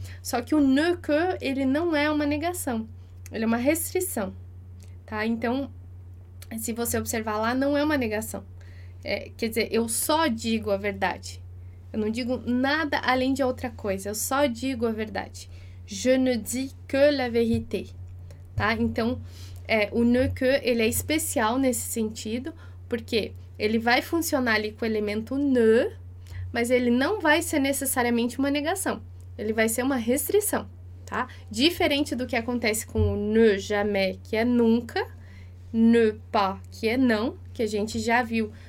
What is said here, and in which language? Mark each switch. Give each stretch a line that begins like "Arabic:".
Portuguese: Só que o ne que, ele não é uma negação, ele é uma restrição, tá? Então, se você observar lá, não é uma negação. É, quer dizer, eu só digo a verdade. Eu não digo nada além de outra coisa, eu só digo a verdade.
French: Je ne dis que la vérité, tá?
Portuguese: Então, o ne que, ele é especial nesse sentido, porque ele vai funcionar ali com o elemento ne, mas ele não vai ser necessariamente uma negação, ele vai ser uma restrição, tá? Diferente do que acontece com o ne jamais, que é nunca, ne pas, que é não, que a gente já viu